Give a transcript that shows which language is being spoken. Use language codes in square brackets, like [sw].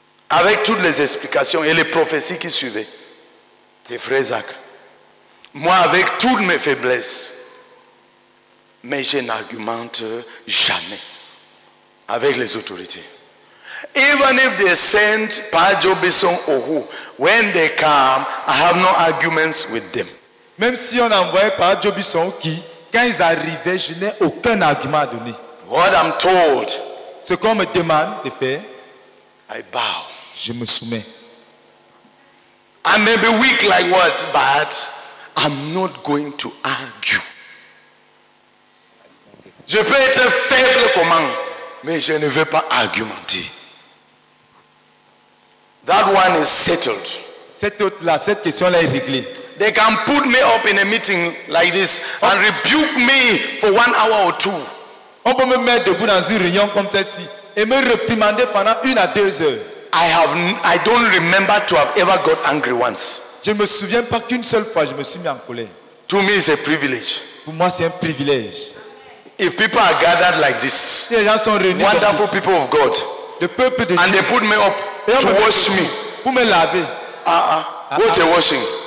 [fr] Avec toutes les explications et les prophéties qui suivaient. C'est Frère Zach. Moi, avec toutes mes faiblesses, mais je n'argumente jamais avec les autorités. [en] Even if they send Pajo Besson or who, when they come, I have no arguments with them. [fr] Même si on envoyait Pajo Besson qui, quand ils arrivaient, je n'ai aucun argument à donner. [en] What I'm told, [fr] ce qu'on me demande de faire, [en] I bow. [fr] Je me soumets. [en] I may be weak like what, but I'm not going to argue. [fr] Je peux être faible comment, mais je ne veux pas argumenter. [en] That one is settled. [fr] Cette question-là est réglée. [en] They can put me up in a meeting like this and rebuke me for 1 hour or two. [fr] On peut me mettre debout dans une réunion comme celle-ci et me réprimander pendant 1 à 2 heures. [en] I don't remember to have ever got angry once. [fr] Je me souviens pas qu'une seule fois je me suis mis en colère. [en] To me, it's a privilege. [fr] Pour moi, c'est un privilège. [en] If people are gathered like this, [fr] si les gens sont réunis [en] wonderful [fr] ici, [en] people of God, [fr] le peuple de [en] and [fr] Dieu, [en] they put me up to wash me, [fr] pour me laver. [en] What a washing!